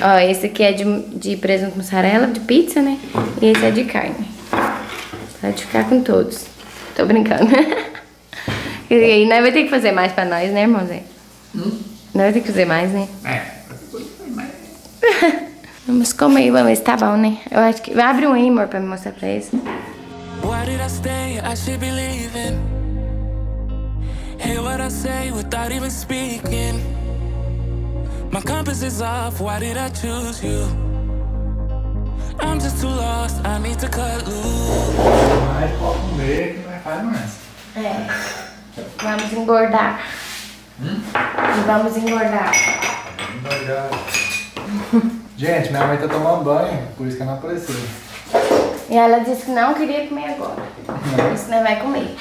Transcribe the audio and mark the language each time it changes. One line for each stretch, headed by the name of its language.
Portuguese: Ó, esse aqui é de presunto mussarela, de pizza, né? E esse é de carne. Pode ficar com todos. Tô brincando. E aí, nós vamos ter que fazer mais pra nós, né, irmão Zé? Nós vamos ter que fazer mais, né? É. Vamos comer, vamos ver se tá bom, né? Eu acho que... Abre um aí, amor, pra me mostrar pra eles.
English: Why did I stay? I should be leaving. Hear what I say without even speaking. My compass is off, why did I choose you? I'm just too lost, I need to cut loose.
Portuguese: Mas pode comer que não vai fazer mais. É. Vamos engordar. Vamos engordar. Engordar. Gente, minha mãe tá tomando banho, por isso que ela não apareceu. E ela disse que não queria comer agora. Por isso não vai comer.